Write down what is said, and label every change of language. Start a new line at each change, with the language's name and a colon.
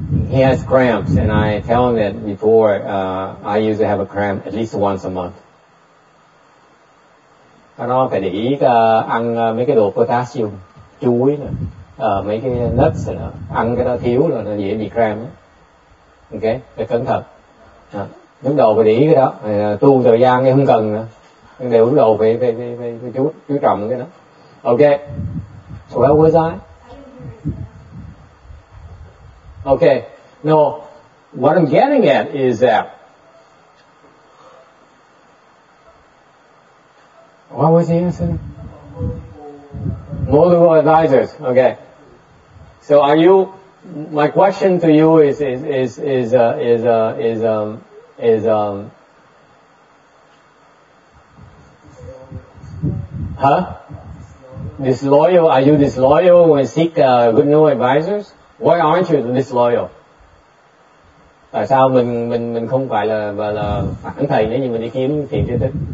English: He has cramps and I tell him that before I used to have a cramp at least once a month.
Vietnamese: Nó phải để ý ăn mấy cái đồ potassium, chuối, mấy cái nuts, ăn cái đó thiếu là nó dễ bị cramp. Ok, phải cẩn thận. Đứng đầu phải để ý cái đó, tu thời gian thì không cần nữa. Nhưng đều đứng đầu phải chú trọng cái đó.
English: Ok, so where was I? Ok, no, what I'm getting at is that what was the answer? Multiple advisors. Okay. So are you? My question to you is disloyal? Are you disloyal when you seek good new advisors? Why aren't you disloyal?
Vietnamese: Tại sao mình không phải là phản thầy nữa nhưng mình đi kiếm thiện sư thích?